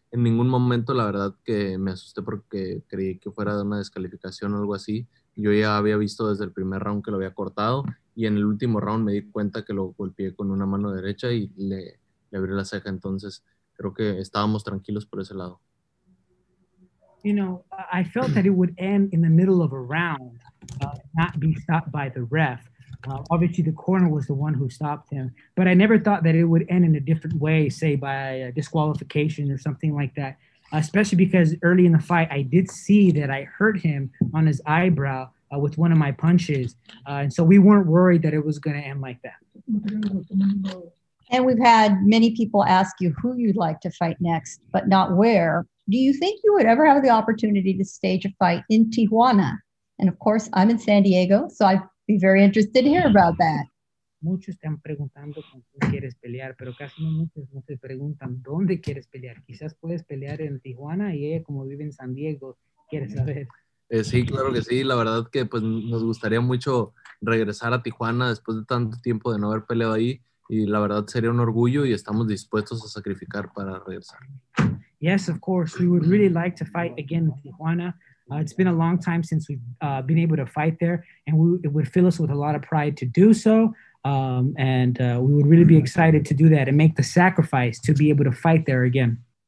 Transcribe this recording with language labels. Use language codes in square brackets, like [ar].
[es] En ningún momento, la verdad, que me asusté porque creí que fuera de una descalificación o algo así. Yo ya había visto desde el primer round que lo había cortado. Y en el último round me di cuenta que lo golpeé con una mano derecha y le abrí la ceja. Entonces, creo que estábamos tranquilos por ese lado. [en] You know, I felt that it would end in the middle of a round, not be stopped by the ref. Obviously, the corner was the one who stopped him. But I never thought that it would end in a different way, say by a disqualification or something like that, especially because early in the fight, I did see that I hurt him on his eyebrow with one of my punches. And so we weren't worried that it was going to end like that. And we've had many people ask you who you'd like to fight next, but not where. Do you think you would ever have the opportunity to stage a fight in Tijuana? And of course, I'm in San Diego, so I'd be very interested to hear about that. [es] Muchos están preguntando con quién quieres pelear, pero casi no muchos no se preguntan dónde quieres pelear. Quizás puedes pelear en Tijuana y ella, como vive en San Diego, quiere saber. Sí, claro que sí. La verdad que pues nos gustaría mucho regresar a Tijuana después de tanto tiempo de no haber peleado ahí. Y la verdad sería un orgullo y estamos dispuestos a sacrificar para regresar. [en] Yes, of course. We would really like to fight again in Tijuana. It's been a long time since we've been able to fight there, and it would fill us with a lot of pride to do so. We would really be excited to do that and make the sacrifice to be able to fight there again.